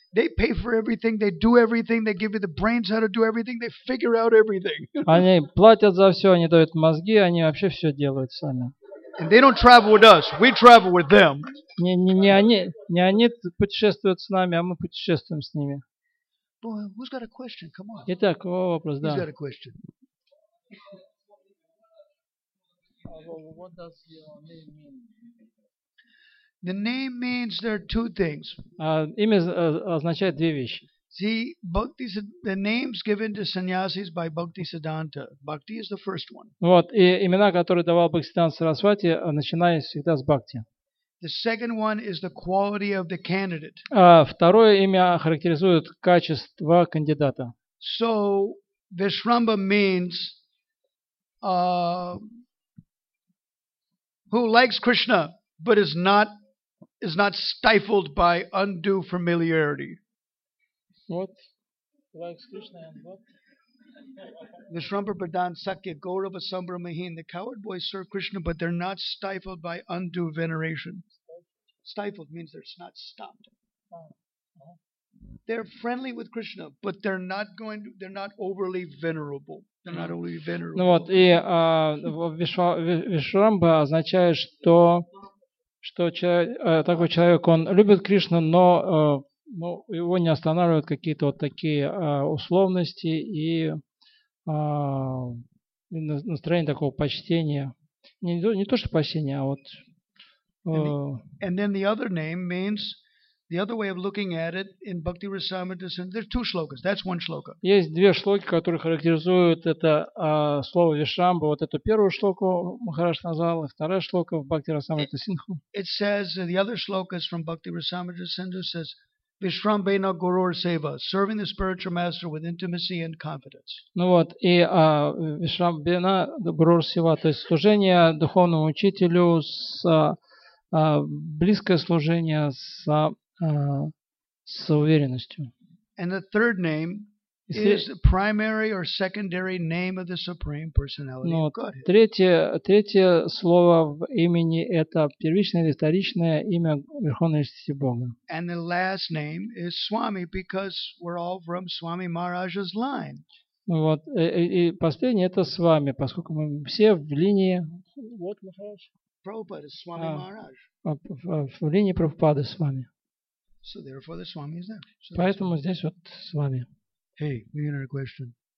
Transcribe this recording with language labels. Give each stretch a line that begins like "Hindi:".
English: They pay for everything, they do everything, they give you the brains how to do everything, they figure out everything.
Russian: Они платят за все, они дают мозги, они вообще все делают сами.
English: And they don't travel with us, we travel with them.
Russian: Не они путешествуют с нами, а мы путешествуем с ними.
English: Boy, who's got a question? Come on.
Russian: Итак, у кого вопрос, да.
English: Who's got a question? What does your name mean? The name means there are two things.
Russian: Имя означает две вещи.
English: See, Bhakti, the names given to sannyasis by Bhakti Siddhanta. Bhakti is the first one.
Russian: Вот, и имена, которые давал Бхактисиддханта Сарасвати, начинаясь всегда с Бхакти.
English: The second one is the quality of the candidate.
Russian: Второе имя характеризует качество кандидата.
English: So Vishramba means who likes Krishna but is not stifled by undue familiarity. What? Likes Krishna and what? Vishramba Pradhan Sakya Gaurava Sambra Mahin. The coward boys serve Krishna, but they're not stifled by undue veneration. Stifled means they're not stopped. They're friendly with Krishna, but they're not overly venerable. They're not overly venerable.
Russian: Ну вот, и Вишрамба означает, что такой человек, он любит Кришну, но его не останавливают какие-то вот такие условности и настроение такого почтения. Не то, что почтение, а вот...
English: And then the other name means, the other way of looking at it, in Bhakti Rasamrita, there's two shlokas, that's one shloka.
Russian: Есть две шлоки, которые характеризуют это слово Вишрамба. Вот эту первую шлоку Махараш назвал, и вторая шлока в Бхакти Расамрита Синху.
English: It says, the other shloka is from Bhakti Rasamrita Sindhu, says,
Sanskrit: Vishrambena Gurur Seva,
English: serving the spiritual master with intimacy and confidence.
Russian: Ну вот, и
Sanskrit: Вишрамбена Гурур Сева,
Russian: то есть служение духовному учителю с близкое служение с уверенностью.
English: And the third name is the primary or secondary name of the Supreme Personality of Godhead.
Russian: Третье слово в имени – это первичное или вторичное имя Верховной Личности Бога.
English: And the last name is Swami, because we're all from Swami Maharaja's line.
Russian: Вот, и последнее – это Свами, поскольку мы все в линии…
English: What, Maharaj? Prabhupada, Swami Maharaj.
Russian: В линии Прабхупады с вами.
English: So therefore the Swami is there. So
Russian: поэтому здесь вот с вами.
English: Hey, we got a question.